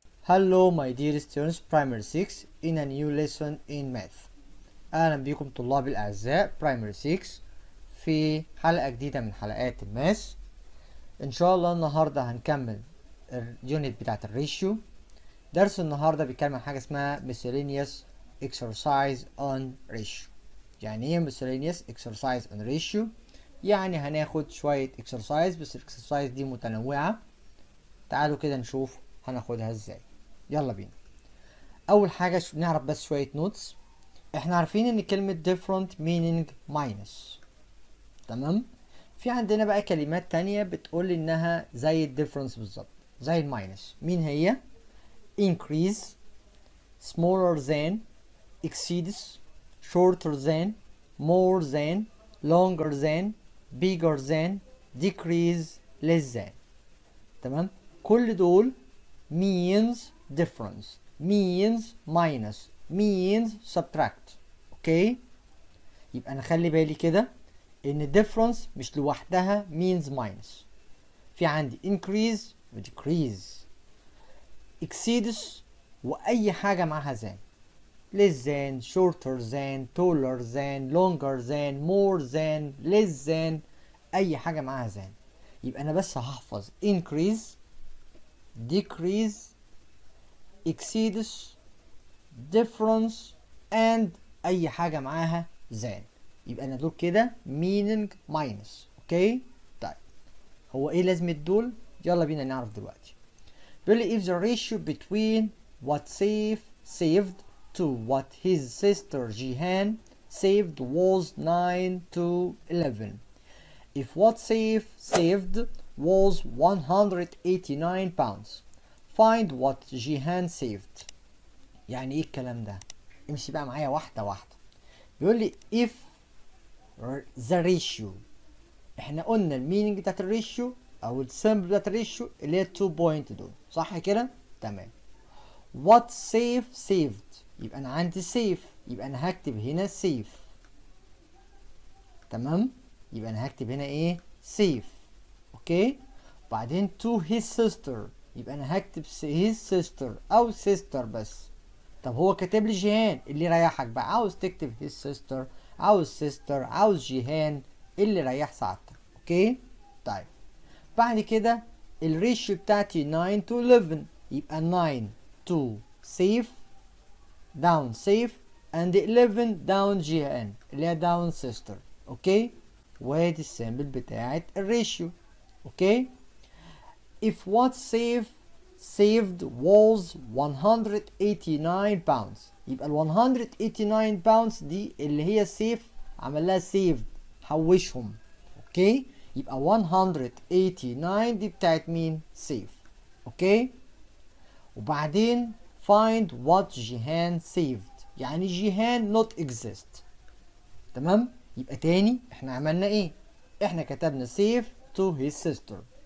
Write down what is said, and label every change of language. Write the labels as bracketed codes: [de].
[en] Hello my dear students, primary 6, in a new lesson in math. [ar] أهلا بكم طلابي الأعزاء, primary 6, في حلقة جديدة من حلقات الماث. إن شاء الله النهاردة هنكمل اليونت بتاعت الريشيو. درس النهاردة بيتكلم عن حاجة اسمها [en] Miscellaneous Exercise on Ratio. [ar] يعني إيه [en] Miscellaneous Exercise on Ratio؟ [ar] يعني هناخد شوية Exercise, بس Exercise دي متنوعة. تعالوا كده نشوف هناخدها إزاي. يلا بينا. اول حاجة نعرف بس شوية نوتس. احنا عارفين ان كلمة [en] different meaning minus, [ar] تمام؟ في عندنا بقى كلمات تانية بتقول انها زي difference بالظبط, زي minus. مين هي؟ [en] increase, smaller than, exceeds, shorter than, more than, longer than, bigger than, decrease, less than, تمام؟ [ar] كل دول [en] means difference, means minus, means subtract. [ar] اوكي, يبقى انا خلي بالي كده ان difference مش لوحدها [en] means minus. [ar] في عندي [en] increase و decrease, exceeds [ar] واي حاجة معها [en] than, less than, shorter than, taller than, longer than, more than, less than, [ar] اي حاجة معها [en] than. [ar] يبقى انا بس هحفظ increase, decrease, exceeds, difference, and اي حاجة معاها than. يبقى انا دول كده [en] meaning minus. [ar] اوكي, طيب هو ايه لازم دول؟ يلا بينا نعرف دلوقتي. بيقول لي [en] if the ratio between what Saif saved to what his sister Jihan saved was 9 to 11, if what Saif saved was 189 pounds, find what Jihan saved. [ar] يعني ايه الكلام ده؟ امشي بقى معايا واحدة واحدة. بيقول لي [en] if the ratio, [ar] احنا قلنا الميننج بتاعت الريشيو او السمبل بتاعت الريشيو اللي هي 2 بوينت دول, صح كده؟ تمام. [en] what Saif saved, [ar] يبقى انا عندي Saif, يبقى انا هكتب هنا Saif, تمام؟ يبقى انا هكتب هنا ايه؟ Saif. اوكي, بعدين [en] to his sister, [ar] يبقى انا هكتب [en] his sister [ar] او sister بس. طب هو كاتب لي جيهان, اللي رايحك بقى, عاوز تكتب his sister, عاوز sister, عاوز جيهان, اللي رايح ساعتك. اوكي, طيب بعد كده الريشيو بتاعتي [en] 9 to 11, [ar] يبقى [en] 9 to Saif, down Saif, and 11 down [ar] جيهان, اللي هي [en] down sister. [ar] اوكي, وادي السامبل بتاعت الريشيو. [en] okay, if what Saif saved was 189 pounds, [ar] يبقى ال [en] 189 pounds [ar] دي اللي هي [en] Saif [ar] عملها [en] saved, [ar] حوشهم. اوكي, يبقى 189 دي بتاعت مين؟ Saif. اوكي, وبعدين [en] find what Jihan saved, [ar] يعني [en] Jihan not exist, [ar] تمام؟ يبقى تاني احنا عملنا ايه؟ احنا كتبنا [en] Saif to his sister.